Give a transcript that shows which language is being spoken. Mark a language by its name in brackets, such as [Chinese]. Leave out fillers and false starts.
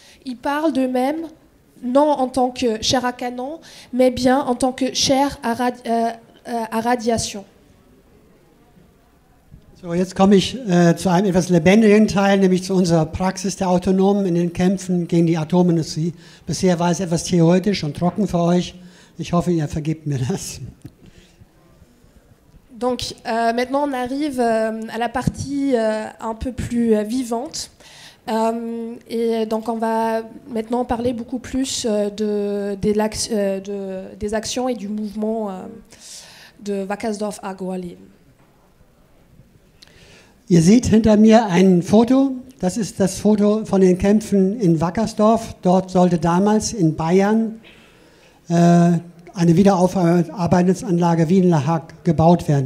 [French] Ils parlent d'eux-mêmes, non en tant que chair à canon, mais bien en tant que chair à radiation. [German] So, jetzt komme ich zu einem etwas lebendigen Teil, nämlich zu unserer Praxis der Autonomen in den Kämpfen gegen die Atomindustrie. Bisher war es etwas theoretisch und trocken für euch. Ich hoffe, ihr vergebt mir das. [French] Donc, maintenant on arrive à la partie un peu plus vivante. Et donc on va maintenant parler beaucoup plus des actions et du mouvement de Wackersdorf Agroalli. [German] Ihr seht hinter mir ein Foto, das ist das Foto von den Kämpfen in Wackersdorf. Dort sollte damals in Bayern eine Wiederaufarbeitungsanlage wie in La Hague gebaut werden.